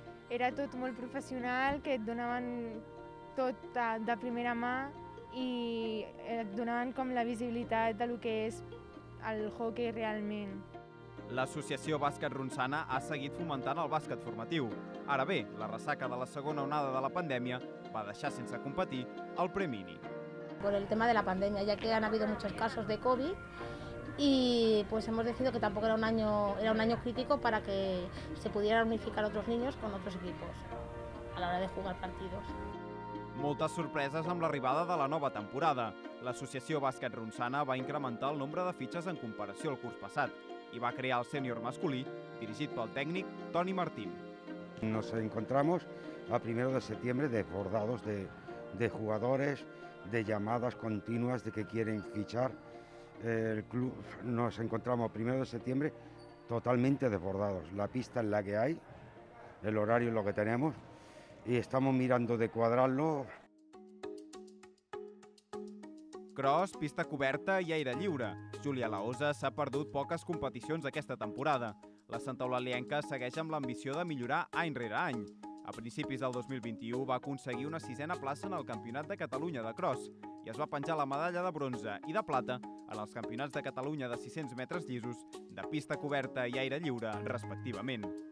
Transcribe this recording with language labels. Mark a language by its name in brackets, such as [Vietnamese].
[Catalan] era tot molt professional, que et donaven tot de primera mà i et donaven com la visibilitat del que és el hockey realment. L'associació Bàsquet Ronçana ha seguit fomentant el bàsquet formatiu. Ara bé, la ressaca de la segona onada de la pandèmia va deixar sense competir el premini. [Spanish] Por el tema de la pandemia, ya que han habido muchos casos de COVID, y pues hemos decidido que tampoco era un año crítico para que se pudieran unificar otros niños con otros equipos a la hora de jugar partidos. [Catalan] Moltes sorpreses amb l'arribada de la nova temporada. L'associació Bàsquet Ronçana va incrementar el nombre de fitxes en comparació al curs passat i va crear el sènior masculí, dirigit pel tècnic Toni Martín. [Spanish] Nos encontramos a primero de septiembre desbordados de jugadores, de llamadas continuas de que quieren fichar. El club, nos encontramos primero de septiembre totalmente desbordados. La pista es la que hay, el horario es lo que tenemos y estamos mirando de cuadrarlo. [Catalan] Cross, pista coberta i aire lliure. Júlia Laosa s'ha perdut poques competicions aquesta temporada. La Santa Eulalienca segueix amb l'ambició de millorar any rere any. A principis del 2021 va aconseguir una sisena plaça en el Campionat de Catalunya de Cross i es va penjar la medalla de bronze i de plata en els Campionats de Catalunya de 600 metres llisos, de pista coberta i aire lliure, respectivament.